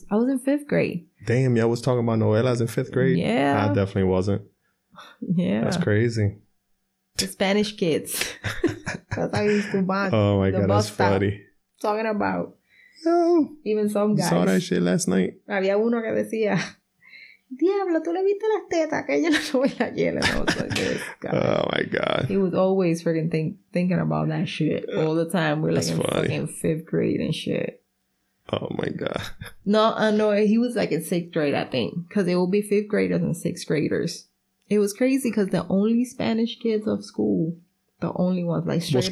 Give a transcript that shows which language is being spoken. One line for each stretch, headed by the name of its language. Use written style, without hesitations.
English: I was in fifth grade. Damn, y'all was talking about novelas in fifth grade? Yeah. I definitely wasn't. Yeah. That's crazy. The Spanish kids. That's how I used to bond. Oh my God, that's funny. Talking about. No. Even some guys. Saw that shit last night.
Spanish: Había uno que decía, Diablo, tú le viste las tetas, que yo la novela ayer.
English: And I was like, oh my God. He was always freaking thinking about that shit all the time. We're like fucking fifth grade and shit. Oh my God. No, he was like in sixth grade, I think. Because it would be fifth graders and sixth graders. It was crazy because the only Spanish kids of school, the only ones, like straight up.